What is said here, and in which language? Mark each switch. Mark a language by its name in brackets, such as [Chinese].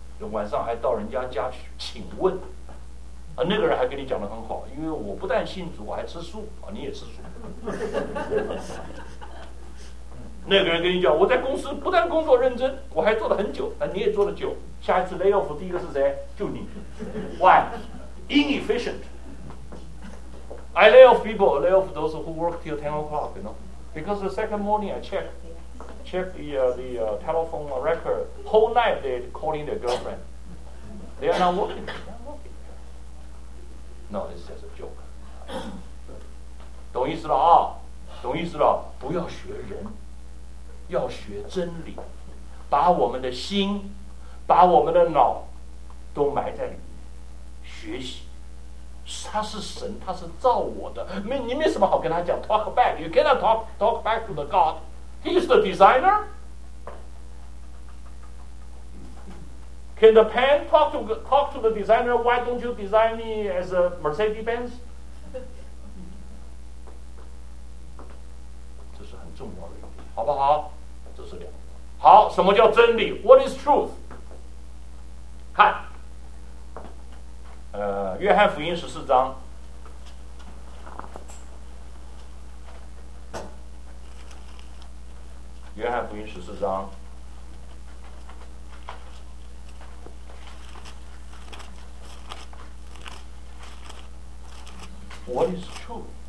[Chinese] 晚上还到人家家去请问。啊，那个人还跟你讲得很好，因为我不但信主，我还吃素啊，你也吃素。那个人跟你讲，我在公司不但工作认真，我还做得很久，你也做得久，下一次 lay off 第一个是谁？就你。 [English] Why? Inefficient. I lay off people, lay off those who work till 10 o'clock, you know, because the second morning I check the telephone record, whole night they're calling their girlfriend. They are not working. No, this is just a joke. [Chinese] 懂意思了啊，懂意思了，不要学人，要学真理，把我们的心，把我们的脑都埋在里面，学习。他是神，他是造我的，你没什么好跟他讲。 [English] Talk back, you cannot talk back to the God. He is the designer. Can the pen talk to the designer? Why don't you design me as a Mercedes-Benz? [Chinese] 这是很重要的一点，好不好？这是两个。好，什么叫真理？ [English] What is truth? [Chinese] 看约翰福音十四章，约翰福音十四章， [English] What is true?